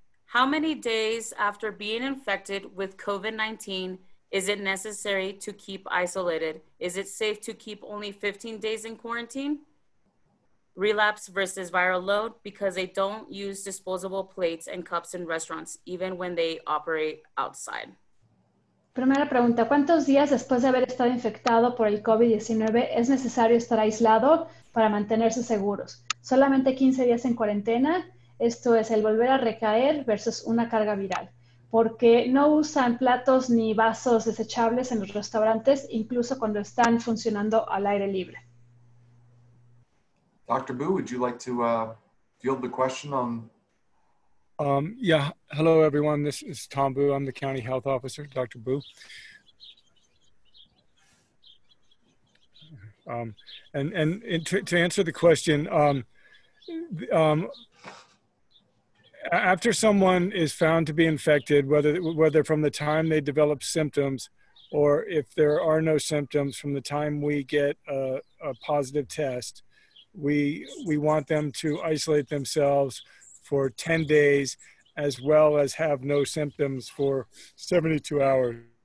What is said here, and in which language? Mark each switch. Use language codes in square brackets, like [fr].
[en] How many days after being infected with COVID-19 is it necessary to keep isolated? Is it safe to keep only 15 days in quarantine? Relapse versus viral load, because they don't use disposable plates and cups in restaurants, even when they operate outside. [es] Primera pregunta, ¿cuántos días después de haber estado infectado por el COVID-19 es necesario estar aislado para mantenerse seguros? Solamente 15 días en cuarentena, esto es el volver a recaer versus una carga viral. Porque no usan platos ni vasos desechables en los restaurantes, incluso cuando están funcionando al aire libre. [en] Dr. Boo, would you like to field the question on... Hello everyone, this is Tom Boo. I'm the County Health Officer, Dr. Boo. And to answer the question, after someone is found to be infected, whether from the time they develop symptoms or if there are no symptoms from the time we get a positive test, we want them to isolate themselves for 10 days, as well as have no symptoms for 72 hours.